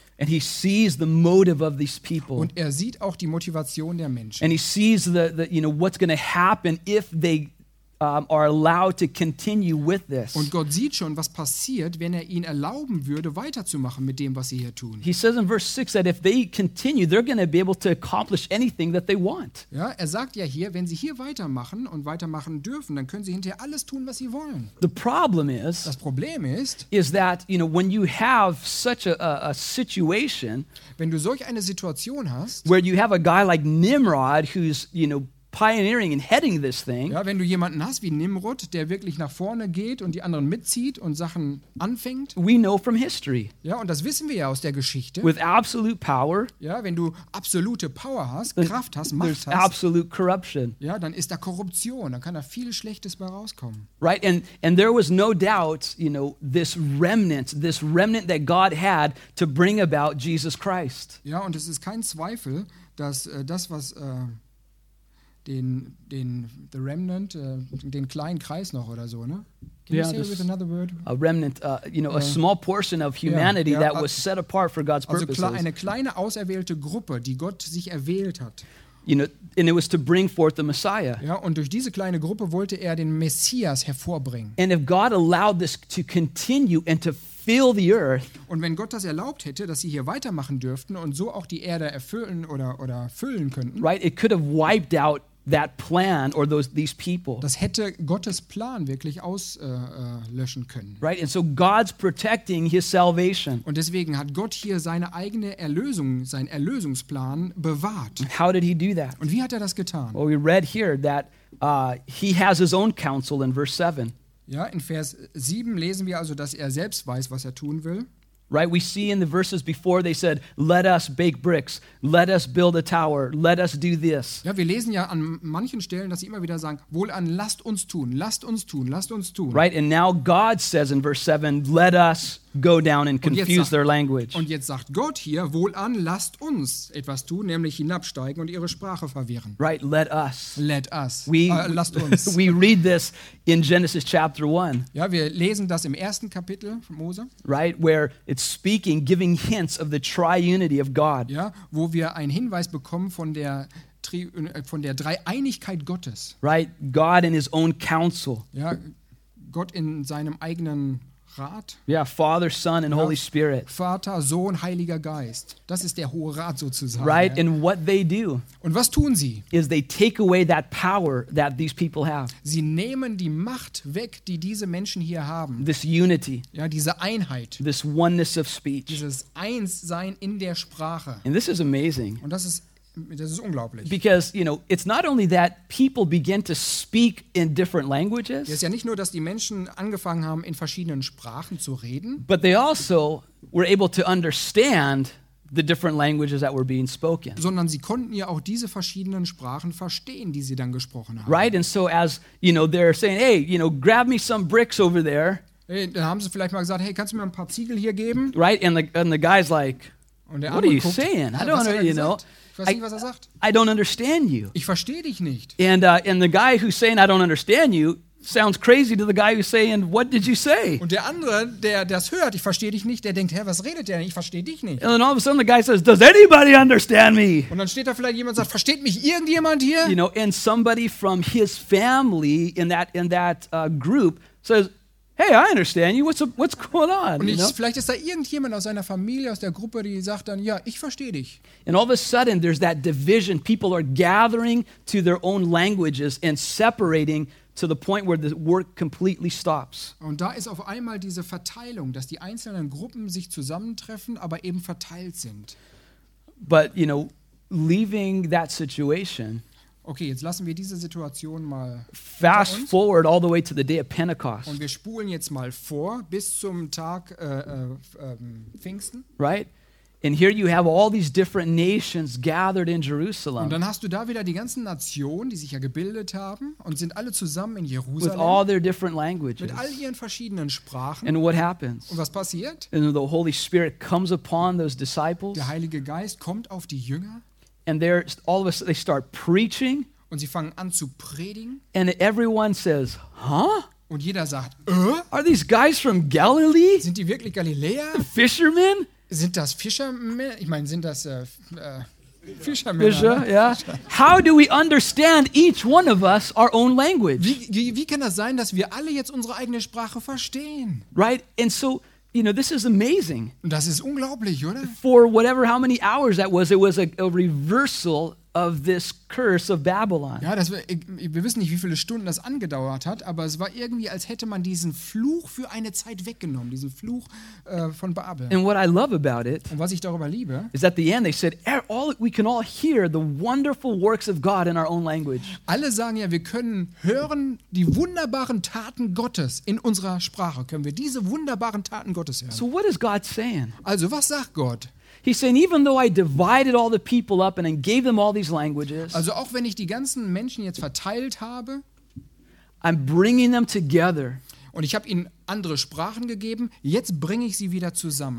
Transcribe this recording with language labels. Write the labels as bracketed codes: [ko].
[en] And He sees the motive of these people. [de] Und er sieht auch die Motivation der Menschen. [en] And He sees the you know, what's going to happen if they are allowed to continue with this. [de] Und Gott sieht schon, was passiert, wenn er ihnen erlauben würde, weiterzumachen mit dem, was sie hier tun. [en] He says in verse 6 that if they continue, they're going to be able to accomplish anything that they want. [de] Ja, er sagt ja hier, wenn sie hier weitermachen und weitermachen dürfen, dann können sie hinterher alles tun, was sie wollen. [en] The problem is, [de] das Problem ist, [en] is that, you know, when you have such a situation, [de] wenn du solch eine Situation hast, [en] where you have a guy like Nimrod who's, you know, pioneering and heading this thing. [de] Ja, wenn du jemanden hast wie Nimrod, der wirklich nach vorne geht und die anderen mitzieht und Sachen anfängt. [en] We know from history. [de] Ja, und das wissen wir ja aus der Geschichte. [en] With absolute power. [de] Ja, wenn du absolute Power hast, Kraft hast, Macht hast. [en] There's absolute corruption. [de] Ja, dann ist da Korruption, dann kann da viel Schlechtes bei rauskommen. [en] Right, and there was no doubt, you know, this remnant that God had to bring about Jesus Christ. [de] Ja, und es ist kein Zweifel, dass das, was [en] the remnant, [de] den kleinen Kreis noch oder so, ne? [en] Can you say it with another word? A remnant, you know, a small portion of humanity that was set apart for God's purposes. [de] Also eine kleine auserwählte Gruppe, die Gott sich erwählt hat. [en] You know, and it was to bring forth the Messiah. [de] Ja, und durch diese kleine Gruppe wollte er den Messias hervorbringen. [en] And if God allowed this to continue and to fill the earth. [de] Und wenn Gott das erlaubt hätte, dass sie hier weitermachen dürften und so auch die Erde erfüllen oder füllen könnten. [en] Right, it could have wiped out that plan or these people. [de] Das hätte Gottes Plan wirklich auslöschen können. [en] Right, and so God's protecting His salvation. [de] Und deswegen hat Gott hier seine eigene Erlösung, seinen Erlösungsplan bewahrt. [en] How did He do that? [de] Und wie hat er das getan? [en] Well, we read here that He has His own counsel in verse 7. [de] Ja, in Vers 7 lesen wir also, dass er selbst weiß, was er tun will. [en] Right, we see in the verses before they said, let us bake bricks, let us build a tower, let us do this. [de] Ja, wir lesen ja an manchen Stellen, dass sie immer wieder sagen, wohlan, lasst uns tun, lasst uns tun, lasst uns tun. [en] Right, and now God says in verse 7, let us go down and confuse their language. [de] Und jetzt sagt Gott hier, wohlan, lasst uns etwas tun, nämlich hinabsteigen und ihre Sprache verwirren. [en] Right, let us. Let us. [de] Lasst uns. [en] We read this in Genesis chapter 1. [de] Ja, wir lesen das im ersten Kapitel von Mose. [en] Right, where it's speaking, giving hints of the triunity of God. [de] Ja, wo wir einen Hinweis bekommen von der Dreieinigkeit Gottes. [en] Right, God in His own counsel. [de] Ja, Gott in seinem eigenen Rat. [en] Yeah, Father, Son, and Holy Spirit. [de] Vater, Sohn, Heiliger Geist. Das ist der Hohe Rat sozusagen. [en] Right, and what they do? [de] Und was tun sie? [en] Is they take away that power that these people have. [de] Sie nehmen die Macht weg, die diese Menschen hier haben. [en] This unity. [de] Ja, diese Einheit. [en] This oneness of speech. [de] Dieses Einssein in der Sprache. [en] And this is amazing. [de] Und das ist unglaublich. [en] Because, you know, it's not only that people begin to speak in different languages. [de] Es ist ja nicht nur, dass die Menschen angefangen haben, in verschiedenen Sprachen zu reden. [en] But they also were able to understand the different languages that were being spoken. [de] Sondern sie konnten ja auch diese verschiedenen Sprachen verstehen, die sie dann gesprochen haben. [en] Right, and so as, you know, they're saying, hey, you know, grab me some bricks over there. [de] Hey, dann haben sie vielleicht mal gesagt, hey, kannst du mir ein paar Ziegel hier geben? [en] Right, and the guy's like, what are you saying? I don't know, you know. [de] Ich weiß nicht, was er sagt. [en] I don't understand you. [de] Ich verstehe dich nicht. [en] And the guy who's saying I don't understand you sounds crazy to the guy who's saying what did you say? [de] Und der andere, der das hört, ich verstehe dich nicht, der denkt, hä, was redet der? Ich verstehe dich nicht. [en] And then all of a sudden the guy says, does anybody understand me? [de] Und dann steht da vielleicht jemand und sagt, versteht mich irgendjemand hier? [en] You know, and somebody from his family in that group says, hey, I understand you. What's going on? [de] Und vielleicht ist da irgendjemand aus seiner Familie, aus der Gruppe, die sagt dann, ja, ich verstehe dich. [en] And all of a sudden, there's that division. People are gathering to their own languages and separating to the point where the work completely stops. [de] Und da ist auf einmal diese Verteilung, dass die einzelnen Gruppen sich zusammentreffen, aber eben verteilt sind. [en] But, you know, leaving that situation. [de] Okay, jetzt lassen wir diese Situation mal [en] fast forward all the way to the day of Pentecost. [de] Und wir spulen jetzt mal vor bis zum Tag Pfingsten. [en] Right? And here you have all these different nations gathered in Jerusalem. [de] Und dann hast du da wieder die ganzen Nationen, die sich ja gebildet haben und sind alle zusammen in Jerusalem. [en] With all their different languages. [de] Mit all ihren verschiedenen Sprachen. [en] And what happens? [de] Und was passiert? [en] And the Holy Spirit comes upon those disciples. [de] Der Heilige Geist kommt auf die Jünger. [en] And they're all of a sudden they start preaching. [de] Und sie fangen an zu predigen. [en] And everyone says, huh? [de] Und jeder sagt, [en] Are these guys from Galilee? [de] Sind die wirklich Galiläer? [en] Fishermen? [de] Sind das Fischermen? Ich meine, sind das Fischermänner? Fischer, ne? Yeah. [en] How do we understand each one of us our own language? [de] Wie kann das sein, dass wir alle jetzt unsere eigene Sprache verstehen? [en] Right? And so, you know, this is amazing. [de] Das ist unglaublich, oder? [en] For whatever, how many hours that was, it was a reversal of this curse of Babylon. [de] Ja, wir wissen nicht, wie viele Stunden das angedauert hat, aber es war irgendwie, als hätte man diesen Fluch für eine Zeit weggenommen, diesen Fluch von Babel. [en] And what I love about it, [de] und was ich darüber liebe, [en] is at the end they said, we can all hear the wonderful works of God in our own language. [de] Alle sagen ja, wir können hören die wunderbaren Taten Gottes in unserer Sprache. Können wir diese wunderbaren Taten Gottes hören? [en] So what is God saying? [de] Also was sagt Gott? [en] He's saying, even though I divided all the people up and then gave them all these languages, [de] also auch wenn ich die ganzen Menschen jetzt verteilt habe, [en] I'm bringing them together. [de] Und ich habe ihnen andere Sprachen gegeben, jetzt bringe ich sie wieder zusammen.